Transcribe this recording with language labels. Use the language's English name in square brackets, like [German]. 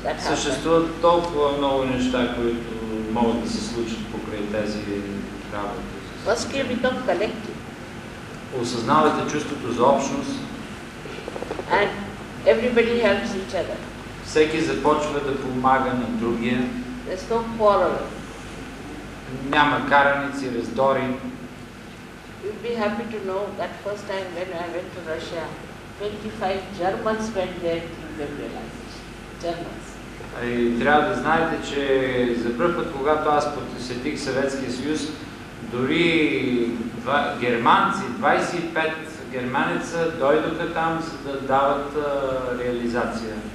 [Bulgarian] Съществуват толкова много неща, които могат да се случат покрай тези работи. Осъзнавате чувството за общност. [English] And everybody helps each other. [Bulgarian] Всеки започва да помага на другия. [English] There's no quarreling. [Bulgarian] Няма караници, раздори. [English] You'll be happy to know that first time when I went to Russia, 25 Germans went there to liberalize. Germans. [Bulgarian] И трябва да знаете, че за първ път, когато аз посетих Съветския съюз, дори германци, 25 германеца дойдоха там, за да дават реализация.